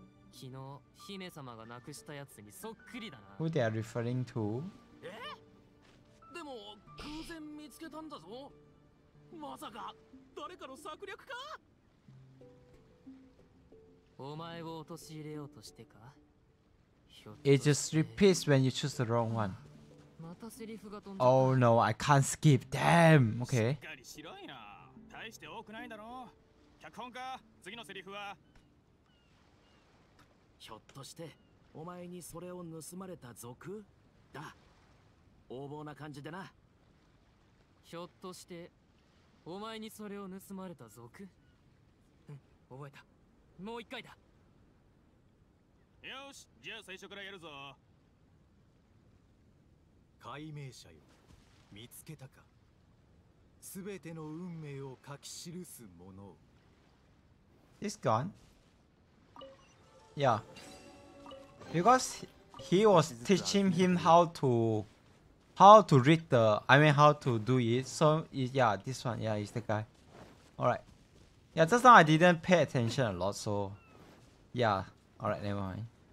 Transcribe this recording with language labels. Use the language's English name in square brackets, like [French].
[Japanese] 昨日、姫様がなくしたやつにそっくりだな。 [English] Who they are referring to? [Japanese] え？でも、偶然見つけたんだぞ。まさか、誰かの策略か？お前を落とし入れようとしてか。 [English] It just repeats when you choose the wrong one. [Japanese] またセリフが飛ん [English] だ。Oh no, I can't skip. Damn. Okay. [Japanese] しっかりしろいな。大して多くないだろう。脚本か。次のセリフは。ひょっとしてお前にそれを盗まれた賊だ。横暴な感じでな。ひょっとしてお前にそれを盗まれた賊。うん、覚えた。もう一回だ。よし、じゃあ最初からやるぞ。解明者よ、見つけたか。すべての運命を書き記すもの。 [English] This gun? Yeah. Because he was teaching him how to read the, I mean how to do it. So yeah, this one, yeah, it's the guy. Alright. Yeah, just now I didn't pay attention a lot, so yeah. Alright, never mind.